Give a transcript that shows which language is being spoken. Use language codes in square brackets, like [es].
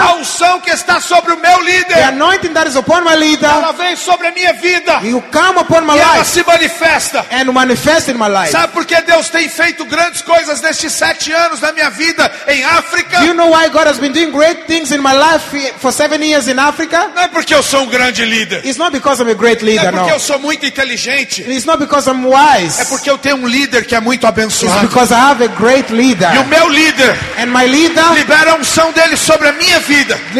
[pt] a unção que está sobre o meu líder, [en] the anointing that is upon my leader, [pt] ela vem sobre a minha vida, [en] you come upon my [pt] e [en] life, [pt] ela se manifesta, [en] and manifest in my life. [pt] Sabe por que Deus tem feito grandes coisas nestes 7 anos da minha vida em África? [en] Do you know why God has been doing great things in my life? for seven years in Africa. [pt] Não é porque eu sou um grande líder. [en] It's not because I'm a great leader. [pt] Não é porque [en] no. [pt] eu sou muito inteligente. [en] It's not because I'm wise. [pt] É porque eu tenho um líder que é muito abençoado. [en] It's because I have a great leader. [pt] E o meu líder. [en] And my leader. [pt] Libera a unção dele sobre a minha vida.